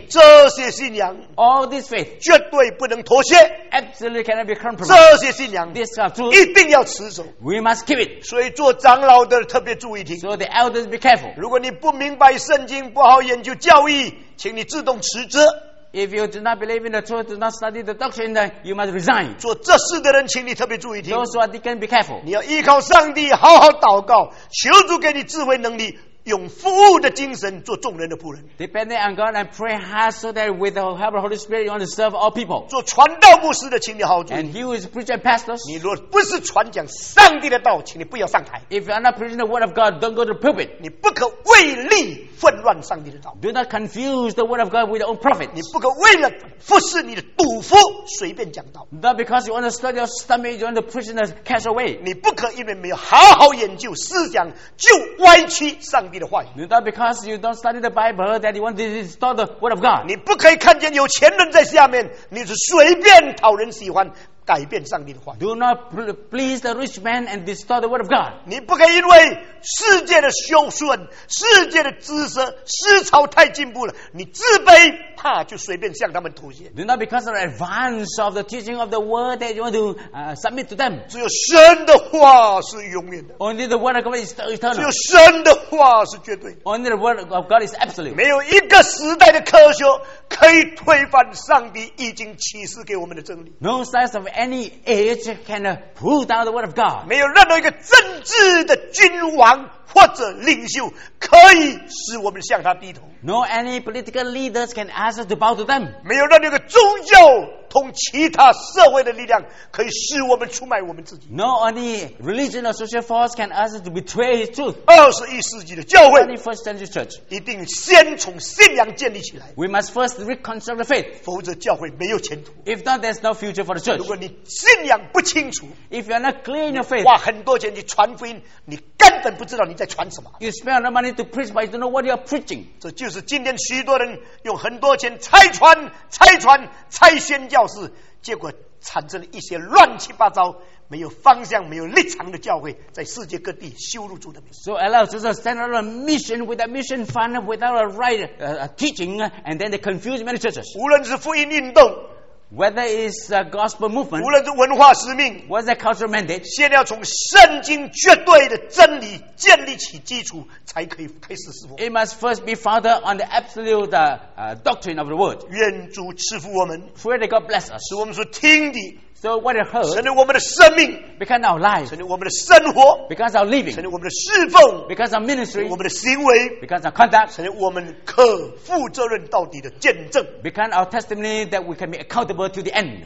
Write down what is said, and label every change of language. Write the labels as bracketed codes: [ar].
[zh] 这些信仰 [en] All this faith [zh] 绝对不能妥协 [en] Absolutely cannot be compromised [zh] 这些信仰 [en] This kind of truth [zh] 一定要持守 [en] We must keep it [zh] 所以做长老的特别注意听 [en] So the elders be careful [zh] 如果你不明白圣经不好研究教义请你自动辞职 [en] If you do not believe in the truth, do not study the doctrine, then you must resign. [zh] 做这事的人，请你特别注意听。 [en] Those who are deacon, be careful. [zh] 你要依靠上帝，好好祷告，求主给你智慧能力，用服务的精神做众人的仆人。 [en] Depending on God and pray hard so that with the help of the Holy Spirit, you want to serve all people. [zh] 做传道牧师的，请你好好注意。 [en] And he who is preaching pastors. [zh] 你若不是传讲上帝的道，请你不要上台。 [en] If you are not preaching the word of God, don't go to the pulpit. [zh] 你不可为利。混乱上帝的道 [en] Do not confuse the word of God with your own prophets [zh] 你不可为了服侍你的赌夫随便讲道 [en] Not because you want to study your stomach You want to preach in a casual way [zh] 你不可因为没有好好研究思想就歪曲上帝的话语 [en] Not because you don't study the Bible That you want to distort the word of God [zh] 你不可以看见有钱人在下面你是随便讨人喜欢改变上帝的话语。 [en] Do not please the rich man and distort the word of God. [zh] 你不可以因为世界的修顺、世界的姿色、思潮太进步了，你自卑，怕就随便向他们妥协。 [en] Do not because of the advance of the teaching of the word that you want to submit to them. [zh] 只有神的话是永远的。 [en] Only the word of God is eternal. [zh] 只有神的话是绝对。 [en] Only the word of God is absolute. [zh] 没有一个时代的科学可以推翻上帝已经启示给我们的真理。 [en] No science of any age can pull down the word of God. [zh] 没有任何一个政治的君王或者领袖可以使我们向他低头。 [en] No any political leaders can ask us to bow to them. [zh] 没有任何一个宗教同其他社会的力量可以使我们出卖我们自己。 [en] No any religion or social force can ask us to betray his truth. [zh] 21世纪的教会 [en] 21st century church [zh] 一定先从信仰建立起来。 [en] We must first reconstruct the faith. [zh] 否则教会没有前途。 [en] If not, there's no future for the church. [zh] 如果你信仰不清楚， [en] If you're not clear in your faith, [zh] 花很多钱去传福音，你根本不知道你在传什么。 [en] You spend a lot of money to preach, but you don't know what you're preaching. [zh] 这就是今天许多人用很多钱拆船、拆船、拆宣教士，结果产生了一些乱七八糟、没有方向、没有立场的教会，在世界各地羞辱主的名。 [en] So allows us to stand on a mission without mission fund, without a right teaching, and then they confuse many churches. [zh] 无论是福音运动。 [en] Whether it is a gospel movement, [zh] 无论是文化使命 [en] what's the cultural mandate, [zh] 先要从圣经绝对的真理建立起基础才可以开始侍奉。 [en] It must first be founded on the absolute doctrine of the word. [zh] 愿主赐福我们 [en] Pray that God bless us. [zh] 使我们所听的 [en] So what it heard, [zh] 成为我们的生命 [en] become our life, [zh] 成为我们的生活 [en] become our living, [zh] 成为我们的侍奉 [en] become our ministry, [zh] 我们的行为 [en] become our conduct, [zh] 成为我们可负责任到底的见证 [en] become our testimony that we can be accountable to the end.